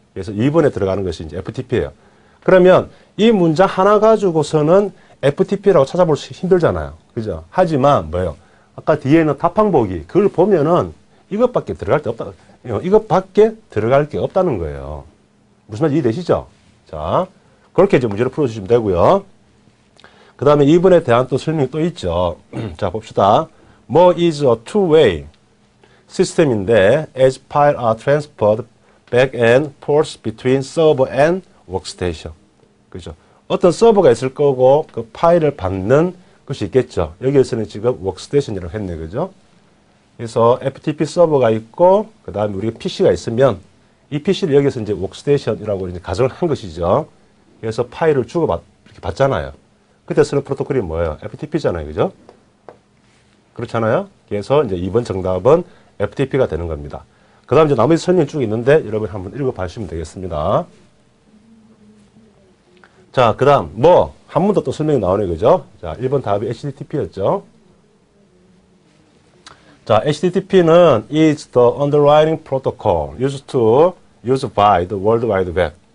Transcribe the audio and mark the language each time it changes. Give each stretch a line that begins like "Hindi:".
Korean: 그래서 2번에 들어가는 것이 이제 FTP예요. 그러면 이 문장 하나 가지고서는 FTP라고 찾아볼 수 힘들잖아요. 그죠? 하지만 뭐예요? 아까 뒤에는 답항 보기. 그걸 보면은 이것밖에 들어갈 게 없다. 이것밖에 들어갈 게 없다는 거예요. 무슨 말인지 이해되시죠? 자, 그렇게 이제 문제를 풀어주시면 되고요. 그 다음에 2번에 대한 또 설명이 또 있죠. 자, 봅시다.
English: 뭐 is a two-way 시스템인데, as files are transferred back and forth between server and workstation.
Korean: 그죠? 어떤 서버가 있을 거고 그 파일을 받는 것이 있겠죠. 여기에서는 지금 워크스테이션이라고 했네, 그죠? 그래서 FTP 서버가 있고 그 다음에 우리가 PC가 있으면 이 PC를 여기서 이제 워크스테이션이라고 이제 가정을 한 것이죠. 그래서 파일을 주고받잖아요. 그때 쓰는 프로토콜이 뭐예요? FTP잖아요, 그죠? 그렇잖아요? 그래서 이제 2번 정답은 FTP가 되는 겁니다. 그 다음 이제 나머지 설명이 쭉 있는데 여러분 한번 읽어봐주시면 되겠습니다. 자, 그 다음 뭐 한 번 더 또 설명이 나오네, 그죠? 자, 1번 답이 HTTP였죠.
English: 자, HTTP는 is the underlying protocol used to use by the World Wide Web.